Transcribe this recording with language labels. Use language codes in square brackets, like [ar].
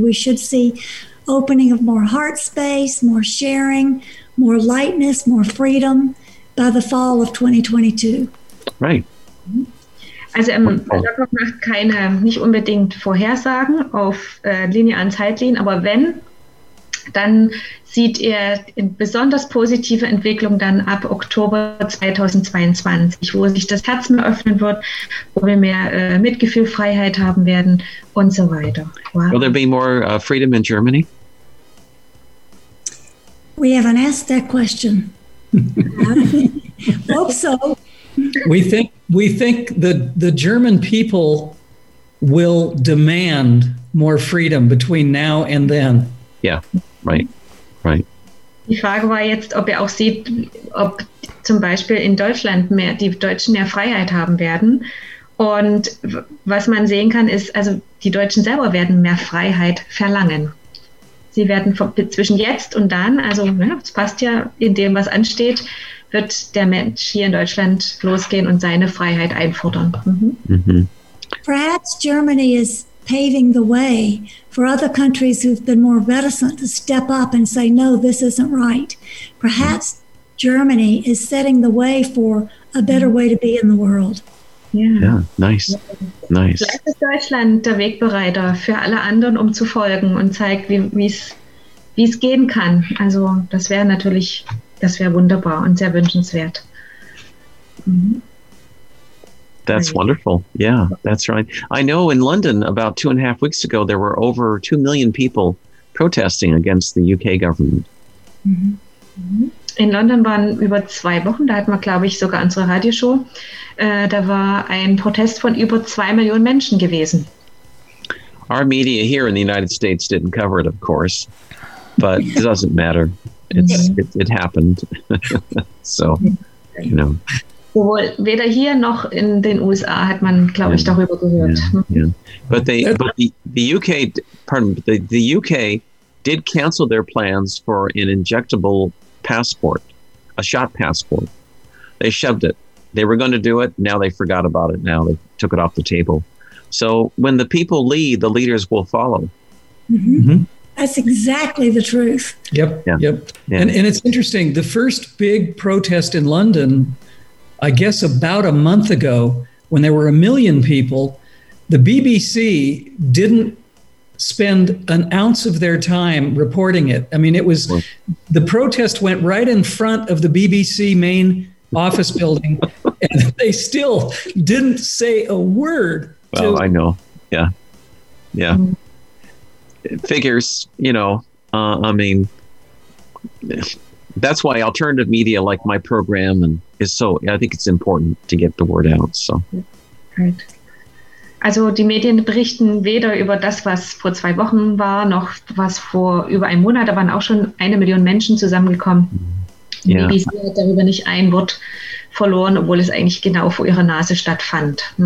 [en] We should see opening of more heart space, more sharing, more lightness, more freedom by the fall of 2022. Right. [de] Also, Lockhart macht keine, nicht unbedingt Vorhersagen auf linearen Zeitlinien, aber wenn, dann sieht er eine besonders positive Entwicklung dann ab Oktober 2022, wo sich das Herz mehr öffnen wird, wo wir mehr Mitgefühl, Freiheit haben werden und so weiter. [en] Wow. Will there be more freedom in Germany? We haven't asked that question. Hope so. We think the German people will demand more freedom between now and then. Yeah. Right. Right. [de] Die Frage war jetzt, ob ihr auch seht, ob zum Beispiel in Deutschland mehr die Deutschen mehr Freiheit haben werden. Und was man sehen kann, ist, also die Deutschen selber werden mehr Freiheit verlangen. Sie werden zwischen jetzt und dann, also es passt ja in dem, was ansteht, wird der Mensch hier in Deutschland losgehen und seine Freiheit einfordern. [en] Perhaps Germany is paving the way for other countries who've been more reticent to step up and say, no, this isn't right. Perhaps Germany is setting the way for a better way to be in the world. Yeah, nice. [de] Vielleicht ist Deutschland der Wegbereiter für alle anderen, um zu folgen und zeigt, wie es gehen kann. Also das wäre natürlich, das wäre wunderbar und sehr wünschenswert. [en] That's wonderful. Yeah, that's right. I know in London about 2.5 weeks ago, there were over 2 million people protesting against the UK government. [de] In London waren über 2 Wochen, da hatten wir, glaube ich, sogar unsere Radioshow, da war ein Protest von über 2 Millionen Menschen gewesen. [en] Our media here in the United States didn't cover it, of course, but it doesn't matter. It happened. So, you know. [de] Sowohl weder hier noch in den USA hat man, glaube ich, darüber gehört. [en] But the UK did cancel their plans for an injectable passport, a shot passport. They shoved it. They were going to do it. Now they forgot about it. Now they took it off the table. So when the people lead, the leaders will follow. That's exactly the truth. Yep. And it's interesting. The first big protest in London, I guess about a month ago, when there were a million people, the BBC didn't spend an ounce of their time reporting it. I mean, it was, the protest went right in front of the BBC main office building, and they still didn't say a word. Well, I know. Yeah. Yeah. Figures, you know, I mean, that's why alternative media like my program and is so, I think it's important to get the word out. So. Right. [de] Also die Medien berichten weder über das, was vor zwei Wochen war, noch was vor über einem Monat. Da waren auch schon 1 Million Menschen zusammengekommen. Yeah. Die BBC hat darüber nicht ein Wort verloren, obwohl es eigentlich genau vor ihrer Nase stattfand.